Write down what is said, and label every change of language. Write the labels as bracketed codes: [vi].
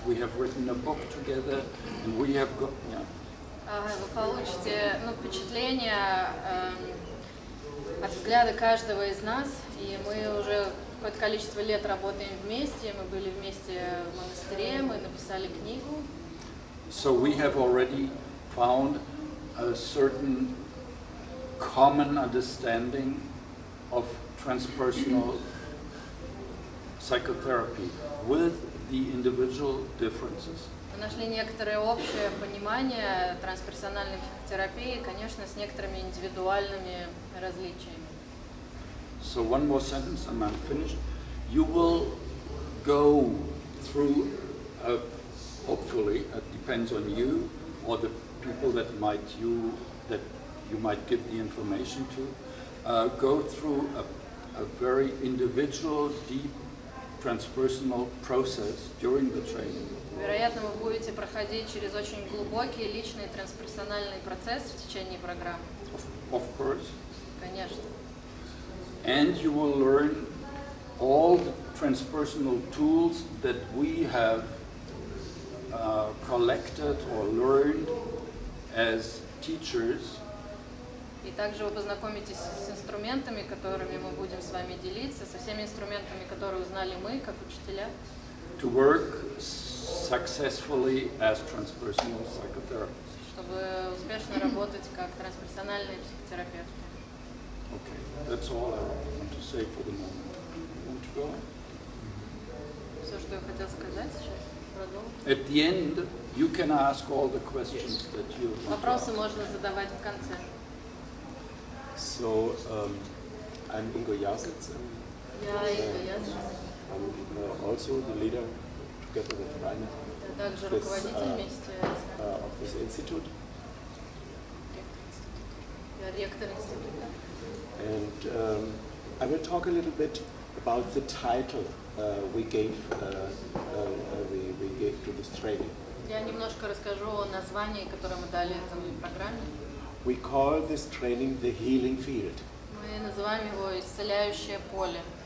[en] We have written a book together, and we have got. Yeah. [ru] Вы получите впечатление. От взгляда каждого из нас, и мы уже какое-то количество лет работаем вместе, мы были вместе в монастыре, мы написали книгу. [en] So we have already found a certain common understanding of transpersonal psychotherapy with the individual differences. [ru] Мы нашли некоторое общее понимание трансперсональной терапии, конечно, с некоторыми индивидуальными различиями. [en] So one more sentence and I'm finished. You will go through, hopefully, it depends on you or the people that you might give the information to, go through a very individual, deep, transpersonal process during the training. [ru] Вероятно, вы будете проходить через очень глубокий личный трансперсональный процесс в течение программы. [en] Of course. [ru] Конечно. [en] And you will learn all the transpersonal tools that we have collected or learned as teachers. [ru] И также вы познакомитесь с инструментами, которыми мы будем с вами делиться, со всеми инструментами, которые узнали мы как учителя. [en] To work successfully as transpersonal psychotherapists. [ru] Чтобы успешно работать как трансперсональные психотерапевты. [en] Okay, that's all I want to say for the moment. You want to go? [ru] Все, что я хотел сказать сейчас, продолжим. [en] At the end, you can ask all the questions that you want. [ru] Вопросы можно задавать в конце. [en] So, I'm Ingo Jasitz. [ru] Я Ingo [en] Jasitz. I'm also the leader, together with Rainer. [ru] Я также руководитель вместе с... [en] Of this institute. [ru] Я ректор института. [en] And I will talk a little bit about the title we gave to this training. [ru] Я немножко расскажу о названии, которое мы дали этой программе. [en] We call this training the healing field. [ru] Мы называем его исцеляющее поле.